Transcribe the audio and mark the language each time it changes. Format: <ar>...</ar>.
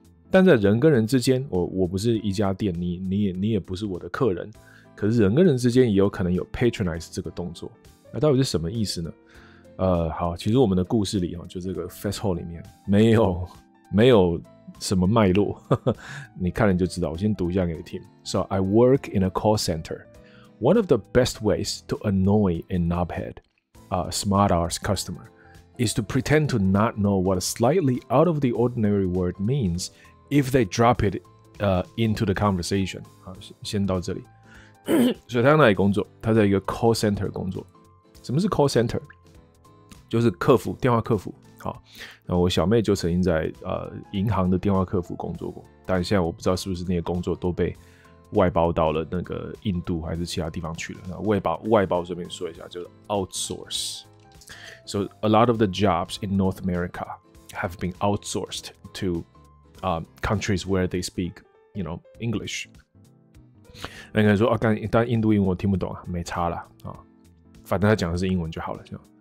<zh>但在人跟人之间，我不是一家店，你也不是我的客人，可是人跟人之间也有可能有 patronize 这个动作，那到底是什么意思呢？好，其实我们的故事里就这个 fest hall 里面没有什么脉络，你看了就知道。我先读一下给你听。</zh> <en>So I work in a call center. One of the best ways to annoy a knobhead, a smart-ass customer, is to pretend to not know what a slightly out of the ordinary word means if they drop it, into the conversation.</en> <zh>好，先到这里。所以他在哪里工作？他在一个 call center 工作。什么是 call center？就是客服，电话客服。好，那我小妹就曾经在银行的电话客服工作过，但现在我不知道是不是那些工作都被外包到了那个印度还是其他地方去了。那外包这边说一下，就是 outsource。</zh> <en>So a lot of the jobs in North America have been outsourced to countries where they speak, you know, English。</en> <zh>那个人说但印度英文我听不懂啊，没差啦啊，反正他讲的是英文就好了，这样。</zh>